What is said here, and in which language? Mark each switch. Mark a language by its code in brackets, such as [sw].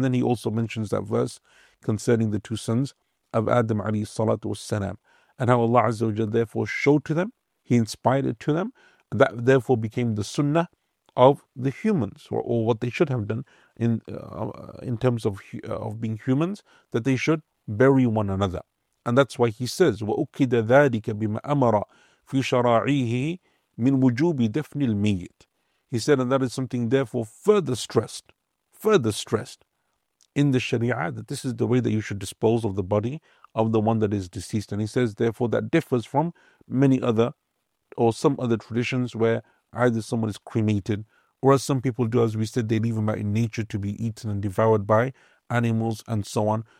[en] And then he also mentions that verse concerning the two sons of Adam alayhi salatu wassalam, and how Allah Azza wa Jal therefore showed to them, he inspired it to them, that therefore became the sunnah of the humans, or what they should have done in terms of being humans, that they should bury one another. And that's why he says, [ar] وَأُكِّدَ ذَٰلِكَ بِمَا أَمَرَ فِي شَرَاعِيهِ مِنْ وُجُوبِ دَفْنِ الْمَيِّتِ. [en] He said, and that is something therefore further stressed in the Sharia, that this is the way that you should dispose of the body of the one that is deceased. And he says, therefore, that differs from many other, or some other traditions where either someone is cremated, or as some people do, as we said, they leave them out in nature to be eaten and devoured by animals and so on.